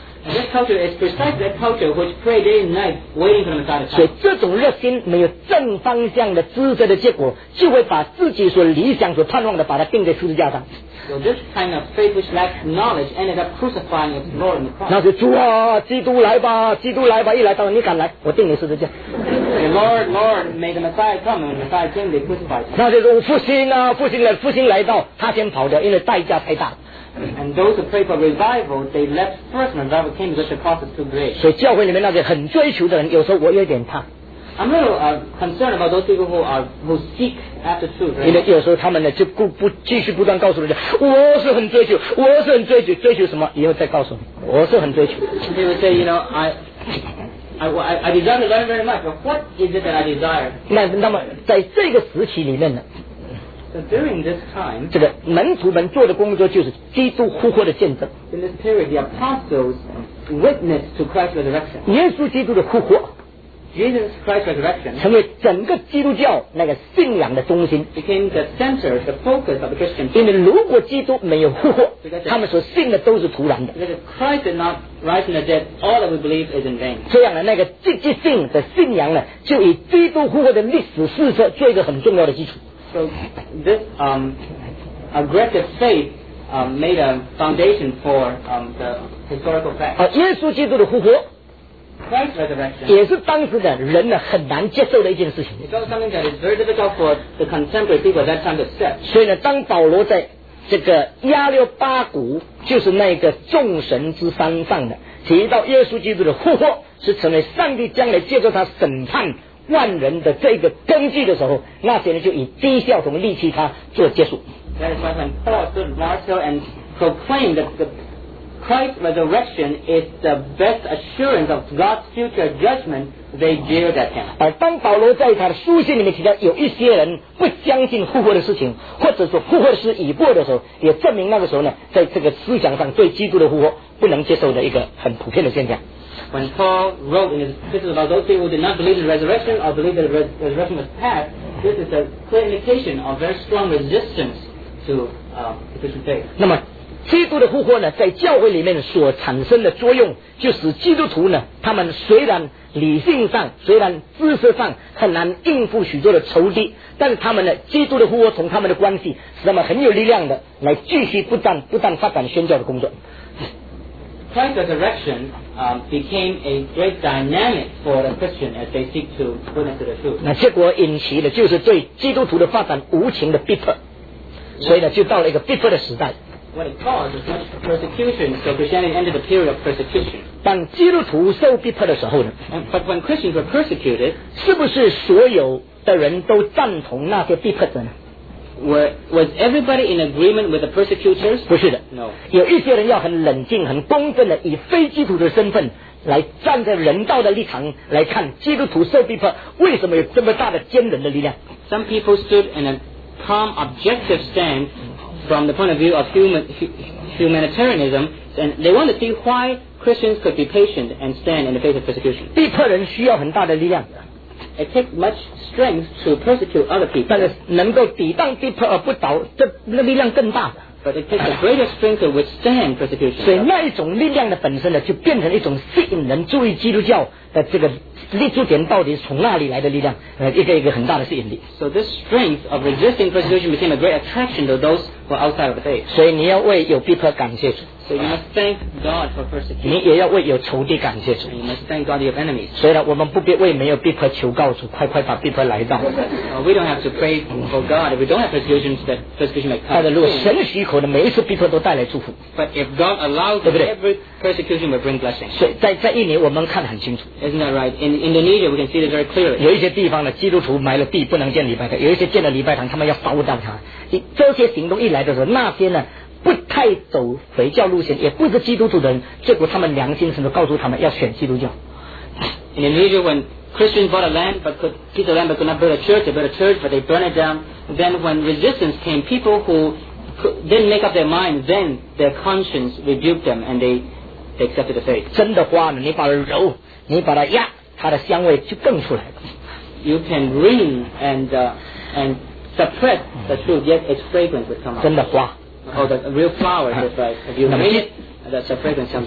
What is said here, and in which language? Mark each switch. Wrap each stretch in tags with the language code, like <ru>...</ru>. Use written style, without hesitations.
<en>And this culture is precisely that culture which pray day and night waiting for the Messiah to come.</en> <zh>所以这种热心没有正方向的支持的结果就会把自己所理想所盼望的把它钉在十字架上</zh> <en>So this kind of faith which lacks knowledge ended up crucifying its Lord in the cross.</en> <zh>那是主啊基督来吧基督来吧一来到你敢来我钉你十字架</zh> <en>Lord, Lord, may the Messiah come and the Messiah came, they crucified him.</en> <zh>那就是复兴啊，复兴来，复兴来到，他先跑掉，因为代价太大。</zh> <en>And those who pray for revival, they left first when revival came because the cost is too great.</en> <zh>所以教会里面那些很追求的人，有时候我有点怕。</zh> <en>I'm a little concerned about those people who seek after truth.、Right?</en> <zh>因为有时候他们呢就不断告诉人家，我是很追求，我是很追求，追求什么？以后再告诉你，我是很追求。</zh> <en>They would say, you know, I desire to learn very much, but what is it that I desire?</en> <zh>那么在这个时期里面呢</zh> <en>So during this time,</en> <zh>这个门徒们做的工作就是基督复活的见证</zh> <en>In this period, the apostles witnessed to Christ's resurrection.</en> <zh>耶稣基督的复活</zh> <en>Jesus Christ's resurrection</en> <zh>成为整个基督教那个信仰的中心</zh> <en>became the center, the focus of the Christian faith.</en> <zh>因为如果基督没有复活他们所信的都是徒然的</zh> <en>Because if Christ did not rise from the dead All that we believe is in vain</en> <zh>这样的那个积极性的信仰呢就以基督复活的历史事实做一个很重要的基础</zh> <en>So this aggressive faith made a foundation for the historical fact</en> <zh>耶稣基督的复活</zh> <en>Christ's resurrection</en> <zh>也是当时的人呢很难接受的一件事情</zh> <en>It's also something that is very difficult for the contemporary people at that time to accept</en> <zh>所以呢当保罗在这个亚六八谷就是那个众神之山上的提到耶稣基督的复活是成为上帝将来借着他审判万人的这个根据的时候那些人就以讥笑同戾弃他做结束</zh> <en>That is why when Paul stood martial and proclaimed that the Christ's resurrection is the best assurance of God's future judgment they jeered at him</en> <zh>而当保罗在他的书信里面提到有一些人不相信复活的事情或者说复活是已过的时候也证明那个时候呢在这个思想上对基督的复活不能接受的一个很普遍的现象</zh> <en>when Paul wrote in his epistle about those people who did not believe in the resurrection or believe that the resurrection was past this is a clear indication of very strong resistance to the Christian faith</en> <zh>那么基督的复活呢在教会里面所产生的作用就使基督徒呢他们虽然理性上虽然知识上很难应付许多的仇敌但是他们的基督的复活从他们的关系使他们很有力量的来继续不断发展宣教的工作</zh> <en>Christ's resurrection became a great dynamic for the Christian as they seek to witness to the truth</en> <zh>那结果引起的就是对基督徒的发展无情的逼迫所以呢就到了一个逼迫的时代</zh> <en>What it caused is much persecution so Christianity ended the period of persecution</en> <zh>当基督徒受逼迫的时候呢</zh> <en>But when Christians were persecuted</en> <zh>是不是所有的人都赞同那些逼迫者呢</zh> <en>Was everybody in agreement with the persecutors?</en> <zh>不是的</zh> <en>No</en> <zh>有一些人要很冷静很公正的以非基督徒的身份来站在人道的立场来看基督徒受逼迫为什么有这么大的坚忍的力量</zh> <en>Some people stood in a calm objective stand from the point of view of humanitarianism and they want to see whyChristians could be patient and stand in the face of persecution.</en> <zh>逼迫人需要很大的力量。</zh> <en>It takes much strength to persecute other people.</en> <zh>但是能够抵挡逼迫而不倒，这那力量更大的。</zh> <en>But it takes a greater strength to withstand persecution.</en> <zh>所以那一种力量的本身呢，就变成一种吸引人注意基督教的这个立足点到底是从哪里来的力量，一个很大的吸引力。</zh> <en>So this strength of resisting persecution became a great attraction to those who are outside of the faith.</en> <zh>所以你要为有逼迫感谢主。</zh> <en>So you must thank God for persecution.</en> <zh>你也要为有仇敌感谢主。</zh> <en>You must thank God for your enemies.</en> <zh>所以呢，我们不必为没有逼迫求告主，快快把逼迫来到。</zh> <en>We don't have to pray for God if we don't have persecution that persecution may come.</en> <zh>但是如果神许可的每一次逼迫都带来祝福。</zh> <en>But if God allows,</en> <zh>对不对</zh> <en>？Every persecution will bring blessing.</en> <zh>所以在印尼我们看得很清楚。</zh> <en>Isn't that right? In Indonesia, we can see it very clearly.</en> <zh>有一些地方呢，基督徒埋了地不能建礼拜堂，有一些建了礼拜堂，他们要烧掉它。这些行动一来的时候，那些呢？不太走回教路线，也不是基督徒的人，结果他们良心甚至告诉他们要选基督教。</zh> <en>In Indonesia, when Christians bought a land but could piece of land but could not build a church, they built a church but they burned it down. Then when resistance came, people who didn't make up their mind, then their conscience rebuked them and they accepted the faith.</en> <zh>真的花呢，你把它揉，你把它压，它的香味就更出来了。</zh> <en>You can wring and suppress the truth, yet its fragrance would come out.</en> <zh>真的花。</zh> <en>Oh, the real flower, that's right. If you wring it, that's the fragrance comes out.</en>